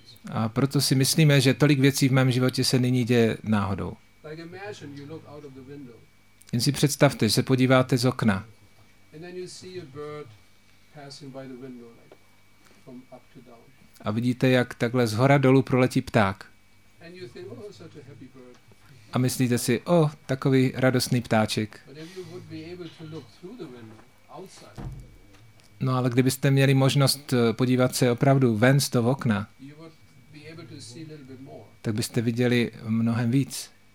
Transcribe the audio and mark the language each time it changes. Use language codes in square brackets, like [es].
[cs] A proto si myslíme, že tolik věcí v mém životě se nyní děje náhodou. [en] Like imagine you look out of the window. [cs] Jen si představte, že se podíváte z okna. [en] And then you see a bird passing by the window, like from up to down. [cs] A vidíte, jak takhle z hora dolů proletí pták. [en] And you think, oh, such a happy bird. [cs] A myslíte si, oh, takový radostný ptáček. [en] But if you would be able to look through the window, outside. [cs] No ale kdybyste měli možnost podívat se opravdu ven z toho okna, [en] you would be able to see a little bit more. [cs] Tak byste viděli mnohem víc.